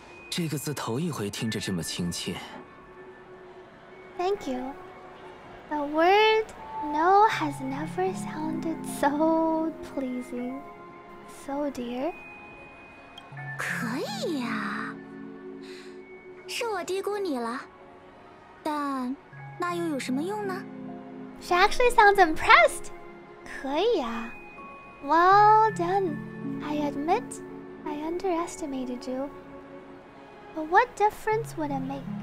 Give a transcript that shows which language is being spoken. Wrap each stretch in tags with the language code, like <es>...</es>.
<zh>这个字头一回听着这么亲切。</zh> <en>Thank you. The word no has never sounded so pleasing, so dear.</en> <zh>可以啊，是我低估你了，但那又有什么用呢？</zh> <en>She actually sounds impressed.</en> <zh>可以啊。</zh> <en>Well done. I admit, I underestimated you. But what difference would it make?</en>